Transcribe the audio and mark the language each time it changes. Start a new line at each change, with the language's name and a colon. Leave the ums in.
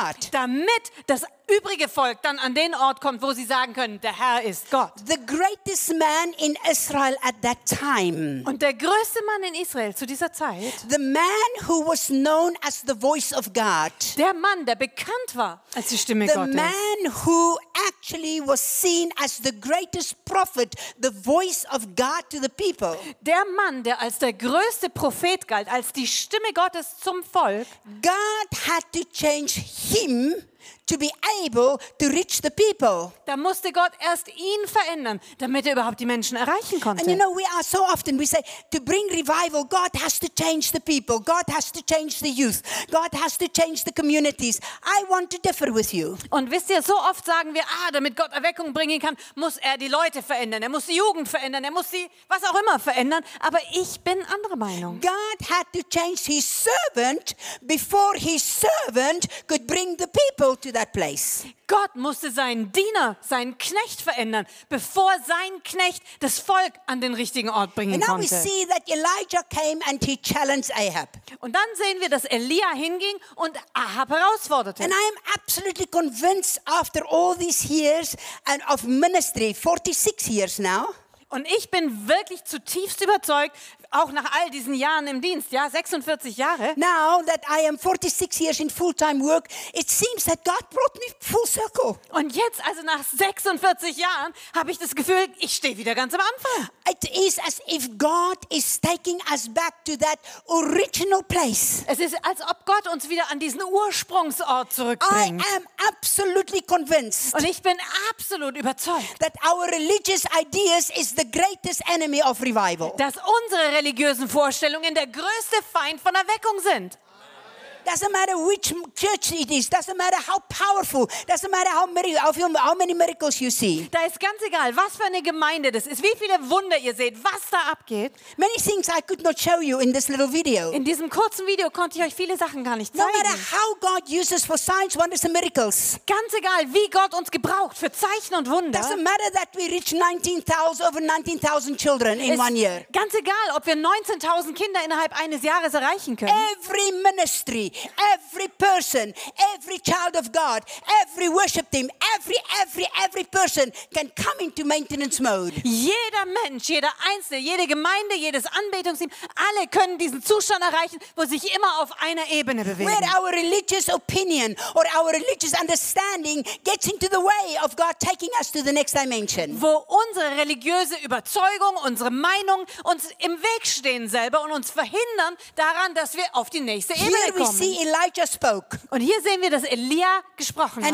German: Damit, dass übrige Volk dann an den Ort kommt, wo sie sagen können, der Herr ist Gott.
English: The greatest man in Israel at that time.
German: Und der größte Mann in Israel zu dieser Zeit.
English: The man who was known as the voice of God.
German: Der Mann, der bekannt war als die Stimme the Gottes.
English: The man who actually was seen as the greatest prophet, the voice of God to the people.
German: Der Mann, der als der größte Prophet galt, als die Stimme Gottes zum Volk.
English: God had to change him to be able to reach the people.
German: Da musste Gott erst ihn verändern, damit er überhaupt die Menschen erreichen konnte.
English: And you know, we are so often we say to bring revival, God has to change the people, God has to change the youth, God has to change the communities. I want to differ with you.
German: Und wisst ihr, so oft sagen wir, ah, damit Gott Erweckung bringen kann, muss er die Leute verändern, er muss die Jugend verändern, er muss sie was auch immer verändern. Aber ich bin anderer Meinung.
English: God had to change His servant before His servant could bring the people to That place.
German: Gott musste seinen Diener, seinen Knecht verändern, bevor sein Knecht das Volk an den richtigen Ort bringen
English: and now
German: konnte.
English: We see that Elijah came and he challenged Ahab.
German: Und dann sehen wir, dass Elia hinging und Ahab herausforderte.
English: And I am absolutely convinced after all these years of ministry, 46 years now.
German: Und ich bin wirklich zutiefst überzeugt, auch nach all diesen Jahren im Dienst, ja, 46 Jahre.
English: Now that I am 46 years in full-time work, it seems that God brought me full circle.
German: Und jetzt also nach 46 Jahren habe ich das Gefühl, ich stehe wieder ganz am Anfang.
English: It is as if God is taking us back to that original place.
German: Es ist als ob Gott uns wieder an diesen Ursprungsort zurückbringt.
English: I am absolutely convinced.
German: Und ich bin absolut überzeugt,
English: that our religious ideas is the greatest enemy of revival.
German: Dass unsere religiösen Vorstellungen der größte Feind von Erweckung sind
English: doesn't matter which church it is, doesn't matter how powerful, doesn't matter how many, how many miracles you see.
German: Da ist ganz egal, was für eine Gemeinde das ist, wie viele Wunder ihr seht, was da abgeht.
English: Many things I could not show you in this little video.
German: In diesem kurzen Video konnte ich euch viele Sachen gar nicht zeigen.
English: No matter how God uses for signs, wonders and miracles.
German: Ganz egal, wie Gott uns gebraucht für Zeichen und Wunder.
English: Doesn't matter that we reach 19,000 over 19,000 children in one year.
German: Ganz egal, ob wir 19.000 Kinder innerhalb eines Jahres erreichen können.
English: Every ministry
German: jeder Mensch, jeder Einzelne, jede Gemeinde, jedes Anbetungsteam, alle können diesen Zustand erreichen, wo sich immer auf einer Ebene bewegen.
English: Where our religious opinion or our religious understanding gets into the way of God taking us to the next dimension.
German: Wo unsere religiöse Überzeugung, unsere Meinung uns im Weg stehen selber und uns verhindern daran, dass wir auf die nächste Ebene kommen.
English: Elijah spoke.
German: Und hier sehen wir, dass Elia gesprochen hat.